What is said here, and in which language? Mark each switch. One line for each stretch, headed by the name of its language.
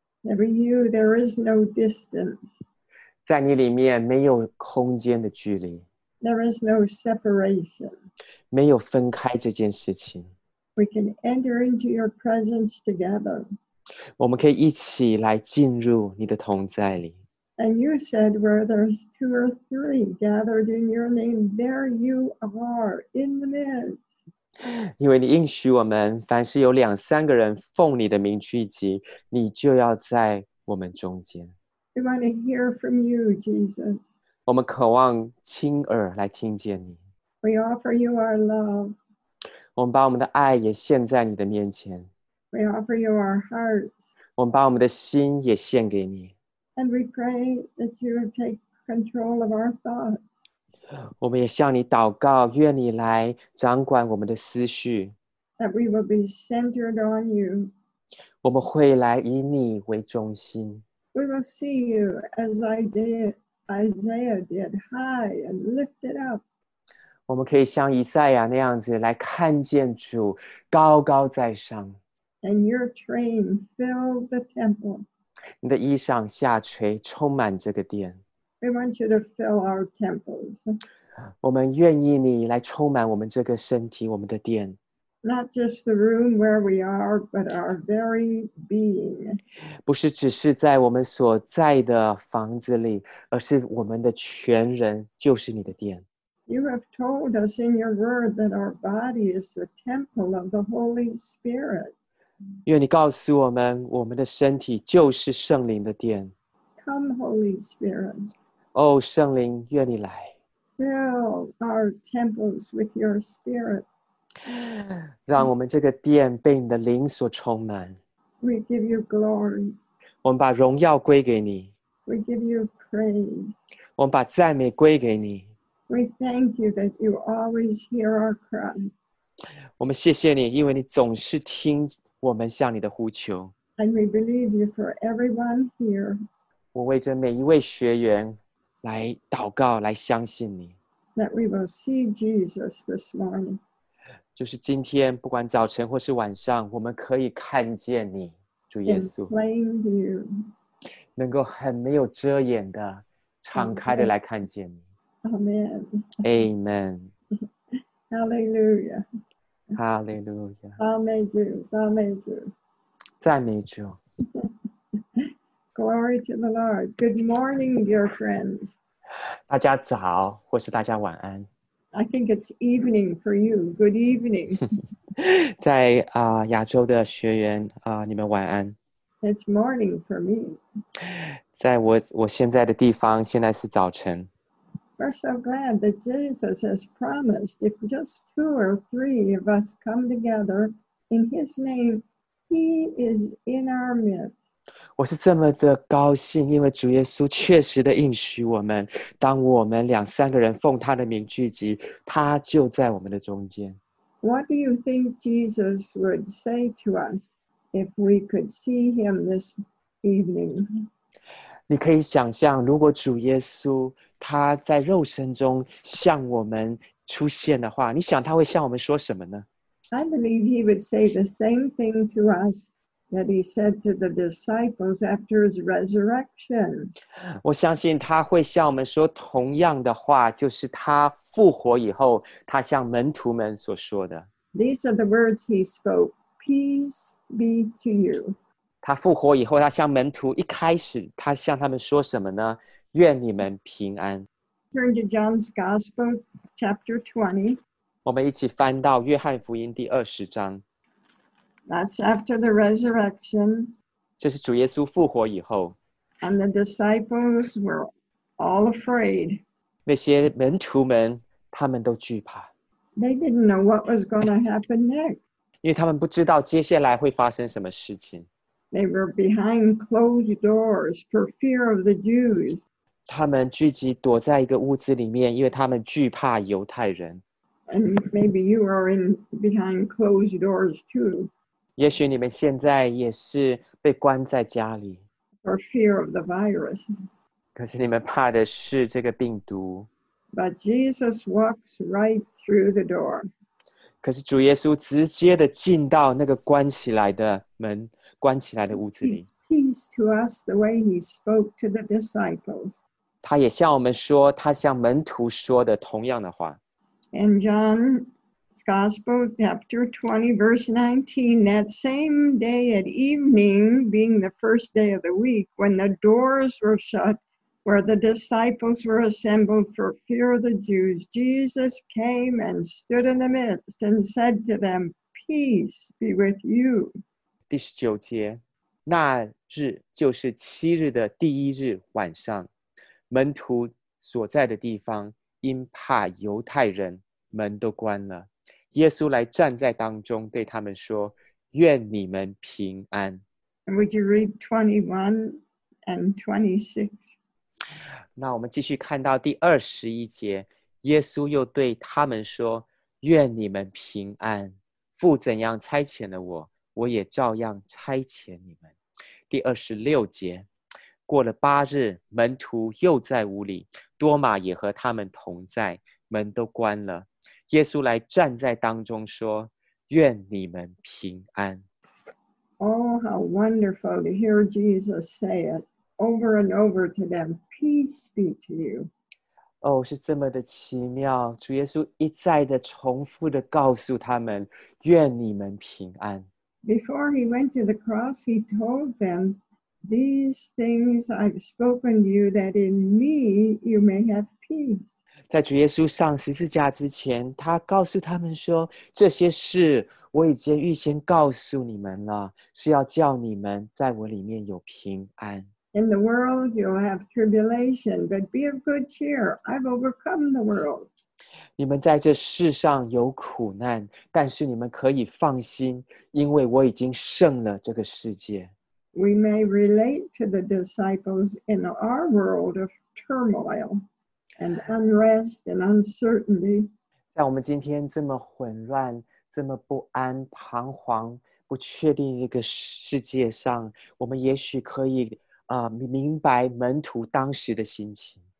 English: In you, there is no distance.
Chinese: 在你里面没有空间的距离。
English: There is no separation.
Chinese: 没有分开这件事情。
English: We can enter into your presence together.
Chinese: 我们可以一起来进入你的同在里。
English: And you said where there's two or three gathered in your name, there you are in the midst.
Chinese: 因为你应许我们，凡是有两三个人奉你的名聚集，你就要在我们中间。
English: We want to hear from you, Jesus.
Chinese: 我们渴望亲耳来听见你。
English: We offer you our love.
Chinese: 我们把我们的爱也献在你的面前。
English: We offer you our hearts.
Chinese: 我们把我们的心也献给你。
English: And we pray that you take control of our thoughts.
Chinese: 我们也向你祷告，愿你来掌管我们的思绪。
English: That we will be centered on you.
Chinese: 我们会来以你为中心。
English: We will see you as Isaiah did, high and lifted up.
Chinese: 我们可以像以赛亚那样子来看见主高高在上。
English: And your train filled the temple.
Chinese: 你的衣裳下垂，充满这个殿。
English: We want you to fill our temples.
Chinese: 我们愿意你来充满我们这个身体，我们的殿。
English: Not just the room where we are, but our very being.
Chinese: 不是只是在我们所在的房子里，而是我们的全人就是你的殿。
English: You have told us in your word that our body is the temple of the Holy Spirit.
Chinese: 愿你告诉我们，我们的身体就是圣灵的殿。
English: Come, Holy Spirit.
Chinese: 哦，圣灵，愿你来。
English: Fill our temples with your spirit.
Chinese: 让我们这个殿被你的灵所充满。
English: We give you glory.
Chinese: 我们把荣耀归给你。
English: We give you praise.
Chinese: 我们把赞美归给你。
English: We thank you that you always hear our cry.
Chinese: 我们谢谢你，因为你总是听我们向你的呼求。
English: And we believe you for everyone here.
Chinese: 我为着每一位学员来祷告，来相信你。
English: That we will see Jesus this morning.
Chinese: 就是今天，不管早晨或是晚上，我们可以看见你，主耶稣。
English: In plain view.
Chinese: 能够很没有遮掩的、敞开的来看见你。
English: Amen. Amen. Hallelujah. Hallelujah.
Chinese: 赞美主，赞美主。赞美主。
English: Glory to the Lord. Good morning, dear friends.
Chinese: 大家早，或是大家晚安。
English: I think it's evening for you. Good evening.
Chinese: 在亚洲的学员你们晚安。
English: It's morning for me.
Chinese: 在我现在的地方，现在是早晨。
English: We're so glad that Jesus has promised if just two or three of us come together in his name, he is in our midst.
Chinese: 我是这么的高兴，因为主耶稣确实的应许我们，当我们两三个人奉他的名聚集，他就在我们的中间。
English: What do you think Jesus would say to us if we could see him this evening?
Chinese: 你可以想象，如果主耶稣他在肉身中向我们出现的话，你想他会向我们说什么呢？
English: I believe he would say the same thing to us that he said to the disciples after his resurrection.
Chinese: 我相信他会向我们说同样的话，就是他复活以后他向门徒们所说的。
English: These are the words he spoke, peace be to you.
Chinese: 他复活以后他向门徒一开始他向他们说什么呢？愿你们平安。
English: Turn to John's Gospel, chapter 20.
Chinese: 我们一起翻到约翰福音第二十章。
English: That's after the resurrection.
Chinese: 这是主耶稣复活以后。
English: And the disciples were all afraid.
Chinese: 那些门徒们，他们都惧怕。
English: They didn't know what was going to happen next.
Chinese: 因为他们不知道接下来会发生什么事情。
English: They were behind closed doors for fear of the Jews.
Chinese: 他们聚集躲在一个屋子里面，因为他们惧怕犹太人。
English: And maybe you are in behind closed doors too.
Chinese: 也许你们现在也是被关在家里。
English: For fear of the virus.
Chinese: 可是你们怕的是这个病毒。
English: But Jesus walks right through the door.
Chinese: 可是主耶稣直接的进到那个关起来的门，关起来的屋子里。
English: Peace to us the way he spoke to the disciples.
Chinese: 他也向我们说，他向门徒说的同样的话。
English: In John's Gospel, chapter 20, verse 19, that same day at evening, being the first day of the week, when the doors were shut, where the disciples were assembled for fear of the Jews, Jesus came and stood in the midst and said to them, Peace be with you.
Chinese: 第十九节，那日就是七日的第一日晚上，门徒所在的地方因怕犹太人，门都关了。耶稣来站在当中，对他们说：“愿你们平安。”
English: Would you read 21 and 26?
Chinese: 那我们继续看到第二十一节，耶稣又对他们说：“愿你们平安。父怎样差遣了我，我也照样差遣你们。” 第二十六节，过了八日，门徒又在屋里，多马也和他们同在，门都关了。耶稣来站在当中说：“愿你们平安。”
English: Oh, how wonderful to hear Jesus say it over and over to them, "Peace be to you."
Chinese: 哦，是这么的奇妙，主耶稣一再的重复的告诉他们：“愿你们平安。”
English: Before he went to the cross, he told them, "These things I've spoken to you, that in me you may have peace."
Chinese: 在主耶稣上十字架之前，他告诉他们说：“这些事我已经预先告诉你们了，是要叫你们在我里面有平安。”
English: In the world you'll have tribulation, but be of good cheer. I've overcome the world.
Chinese: 你们在这世上有苦难，但是你们可以放心，因为我已经胜了这个世界。
English: We may relate to the disciples in our world of turmoil and unrest and uncertainty.
Chinese: 在我们今天这么混乱、这么不安、彷徨、不确定一个世界上，我们也许可以明白门徒当时的心情。